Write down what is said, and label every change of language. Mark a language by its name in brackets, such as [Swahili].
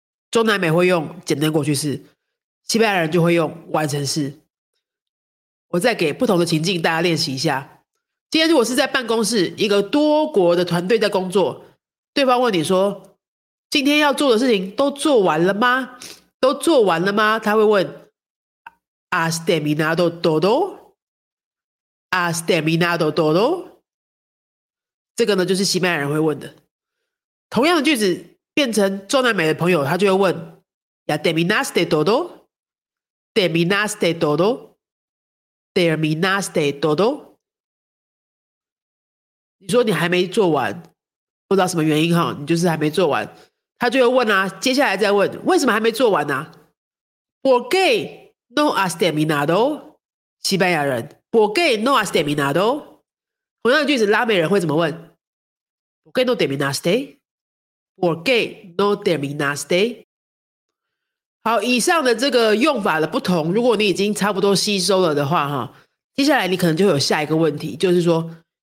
[Chinese] 中南美会用简单过去式，西班牙人就会用完成式。我再给不同的情境大家练习一下。今天如果是在办公室，一个多国的团队在工作，对方问你说：今天要做的事情都做完了吗？都做完了吗？他会问 [Spanish] ¿Has terminado todo? ¿Has terminado todo? [Chinese] 这个呢就是西班牙人会问的。同样的句子变成中南美的朋友，他就会问 [Spanish] ¿Ya terminaste todo? ¿Terminaste todo? terminaste todo? [Chinese] 你说你还没做完，不知道什么原因哈，你就是还没做完。他就会问啊，接下来再问，为什么还没做完呢、啊？ [Spanish] ¿Por qué no has terminado？ [Chinese] 西班牙人 [Spanish] ，¿Por qué no has terminado？ [Chinese] 同样的句子，拉美人会怎么问 ？ [Spanish] ¿Por qué no terminaste？ ¿Por qué no terminaste？ [Chinese] 好，以上的这个用法的不同，如果你已经差不多吸收了的话，哈，接下来你可能就会有下一个问题，就是说。